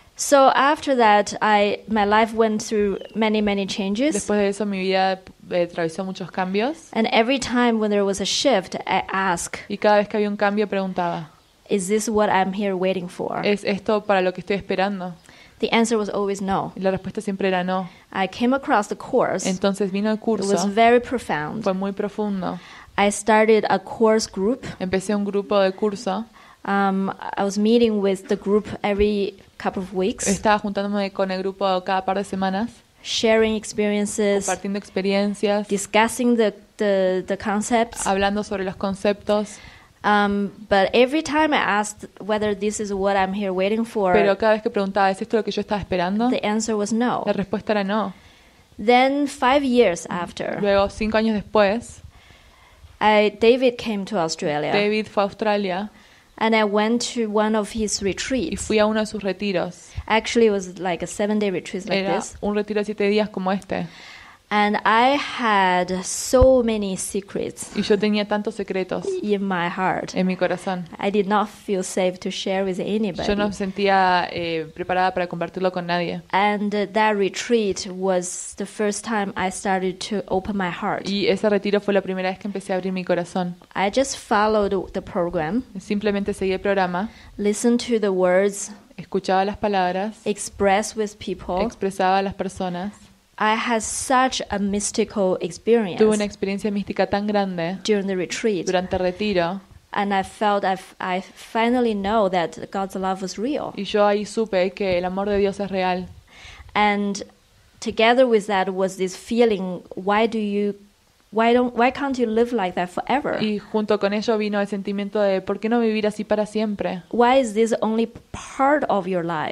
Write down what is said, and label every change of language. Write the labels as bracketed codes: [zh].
[en] So after that, my life went through many, many changes. [es] Después de eso, mi vida atravesó muchos cambios. [en] And every time when there was a shift, I asked. [es] Y cada vez que había un cambio, preguntaba. [en] Is this what I'm here waiting for? [es] ¿Es esto para lo que estoy esperando? [en] The answer was always no. [es] Y la respuesta siempre era no. [en] I came across the course. [es] Entonces vino el curso. [en] It was very profound. [es] Fue muy profundo. [en] I started a course group. [es] Empecé un grupo de curso. [en] I was meeting with the group every couple of weeks. [es] Estaba juntándome con el grupo cada par de semanas. [en] Sharing experiences. [es] Compartiendo experiencias. [en] Discussing the concepts. [es] Hablando sobre los conceptos. [en] But every time I asked whether this is what I'm here waiting for, [es] pero cada vez que preguntaba, ¿es esto lo que yo estaba esperando? [en] The answer was no. [es] La respuesta era no. [en] Then 5 years after, [es] luego 5 años después, [en] David came to Australia. [es] David fue a Australia. [en] And I went to one of his retreats. [es] Y fui a uno de sus retiros. [en] Actually, it was like a 7-day retreat like this. [es] Era un retiro de 7 días como este. [en] And I had so many secrets. [es] Y yo tenía tantos secretos. [en] In my heart. [es] En mi corazón. [en] I did not feel safe to share with anybody. [es] Yo no me sentía preparada para compartirlo con nadie. [en] And that retreat was the first time I started to open my heart. [es] Y ese retiro fue la primera vez que empecé a abrir mi corazón. [en] I just followed the program. [es] Simplemente seguí el programa. [en] Listened to the words. [es] Escuchaba las palabras. [en] Expressed with people. [es] Expresaba a las personas. [en] I had such a mystical experience. [es] Tuve una experiencia mística tan grande. [en] During the retreat. [es] Durante el retiro. [en] And I felt I finally know that God's love was real. [es] Y yo ahí supe que el amor de Dios es real. [en] And together with that was this feeling, why can't you live like that forever? [es] Y junto con ello vino el sentimiento de ¿por qué no vivir así para siempre? [en] Why is this only part of your life?